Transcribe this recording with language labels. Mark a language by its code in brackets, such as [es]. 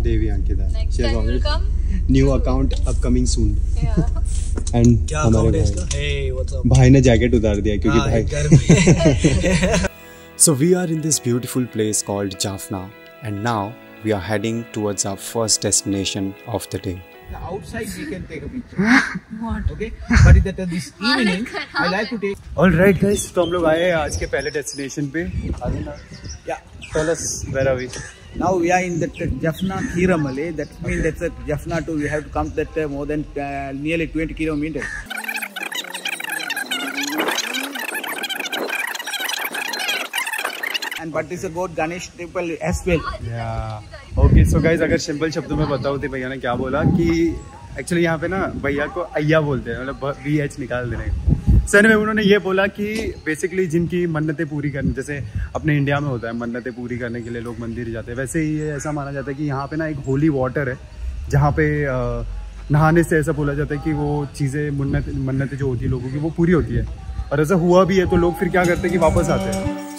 [en] Devi Ankita she is always new account upcoming soon. And [hi] क्या हमारे भाई, [en] hey what's up [hi] भाई, ने जैकेट उतार दिया क्योंकि भाई गर्मी. [en] So we are in this beautiful place called Jaffna and now we are heading towards our first destination of the day. The outside we can take a picture. What? Okay. But that this evening I like to take. All right, guys. So, [hi] हम लोग आए हैं आज के पहले destination पे. [en] Yeah. Tell us where are we? Now we are in that Jaffna Thiramalai. That means that's a Jaffna too. We have to come that more than nearly 20 kilometers. and but this is about Ganesh temple as well. Yeah. [hi] Okay, so guys, अगर simple शब्दों में बताओ तो भैया ने क्या बोला कि एक्चुअली यहाँ पे ना भैया को अय्या बोलते हैं, मतलब वी एच निकाल देने सर ने। उन्होंने ये बोला कि बेसिकली जिनकी मन्नतें पूरी करने, जैसे अपने इंडिया में होता है मन्नतें पूरी करने के लिए लोग मंदिर जाते हैं, वैसे ही ये ऐसा माना जाता है कि यहाँ पे ना एक होली वाटर है जहाँ पे नहाने से ऐसा बोला जाता है कि वो चीज़ें मन्नतें जो होती है लोगों की वो पूरी होती है, और ऐसा हुआ भी है तो लोग फिर क्या करते हैं कि वापस आते हैं।